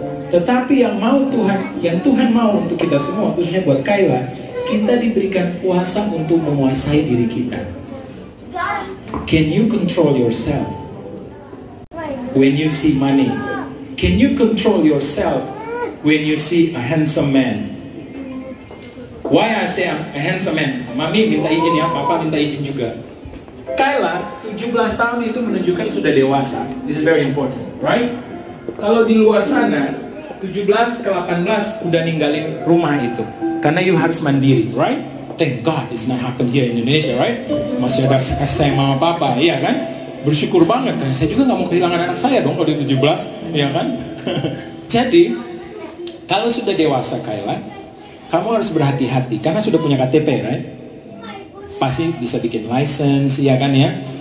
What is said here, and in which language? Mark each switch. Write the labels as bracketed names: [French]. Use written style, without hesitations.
[Indonesian] Tetapi yang Tuhan mau untuk kita semua, khususnya buat Kayla, kita diberikan kuasa untuk menguasai diri kita. [English] Can you control yourself when you see money? Can you control yourself when you see a handsome man? Why I say a handsome man? [Indonesian] Mami minta izin ya, papa minta izin juga. Kayla, 17 tahun itu menunjukkan sudah dewasa. [English] This is very important, right? [Indonesian] Kalau di luar sana, 17 ke 18 udah ninggalin rumah itu. Karena you harus mandiri, [English] right? Thank God it's not happened here in Indonesia, right? [Indonesian] Masih ada saya mama papa, iya kan? Bersyukur banget kan? Saya juga gak mau kehilangan anak saya dong kalau di 17, iya kan? Jadi, kalau sudah dewasa Kayla, kamu harus berhati-hati. Karena sudah punya KTP, [English] right? [Indonesian] Pasti bisa bikin license, iya kan ya?